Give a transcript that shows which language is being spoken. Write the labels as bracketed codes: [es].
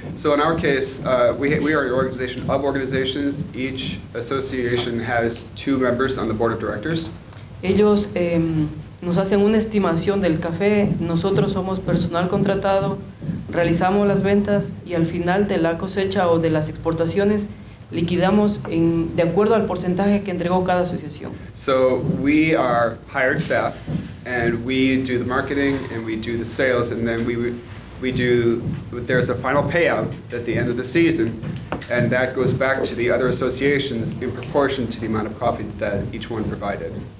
[en] So in our case, we are an organization of organizations. Each association has two members on the board of directors. [es] Ellos nos hacen una estimación del café. Nosotros somos personal contratado, realizamos las ventas y al final de la cosecha o de las exportaciones liquidamos en, de acuerdo al porcentaje que entregó cada asociación. [en] So we are hired staff, and we do the marketing, and we do the sales, and then we do, there's a final payout at the end of the season, and that goes back to the other associations in proportion to the amount of profit that each one provided.